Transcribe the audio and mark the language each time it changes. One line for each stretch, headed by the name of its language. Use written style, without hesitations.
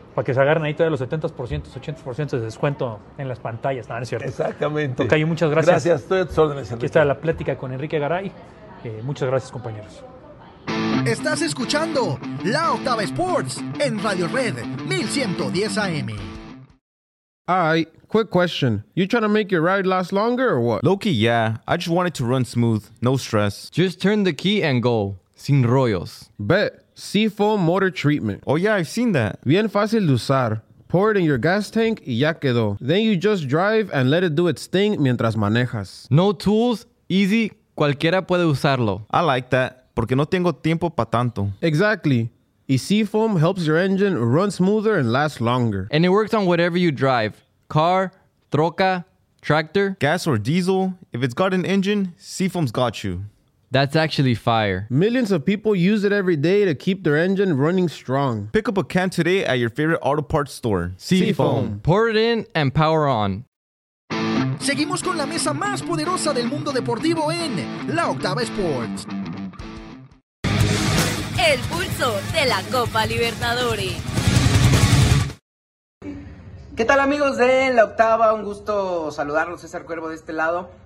Spanish: Para que se agarren ahí todavía los 70%, 80% de descuento en las pantallas, ¿no? ¿No es cierto? Exactamente. Tocayo, muchas gracias. Gracias, estoy a tus órdenes, Enrique. Aquí está la plática con Enrique Garay. Muchas gracias, compañeros. Estás escuchando La Octava Sports en Radio Red 1110 AM.
English: Hi, quick question. You trying to make your ride last longer or what? Low-key, yeah. I just want it to run smooth, no stress. Just turn the key and go.
Spanish: Sin rollos.
English: Bet. Seafoam motor treatment. Oh yeah, I've seen that.
Spanish: Bien fácil de usar.
English: Pour it in your gas tank
Spanish: y ya quedó.
English: Then you just drive and let it do its thing
Spanish: mientras manejas.
English: No tools. Easy.
Spanish: Cualquiera puede usarlo.
English: I like that.
Spanish: Porque no tengo tiempo pa tanto.
English: Exactly. Y Seafoam helps your engine run smoother and last longer. And it works on whatever you drive. Car, troca, tractor. Gas or diesel. If it's got an engine, Seafoam's got you. That's actually fire. Millions of people use it every day to keep their engine running strong. Pick up a can today at your favorite auto parts store. Seafoam. Pour it in and power on.
Spanish: Seguimos con la mesa más poderosa del mundo deportivo en La Octava Sports. El pulso de la Copa Libertadores. ¿Qué tal, amigos de La Octava? Un gusto saludarlos, César Cuervo de este lado.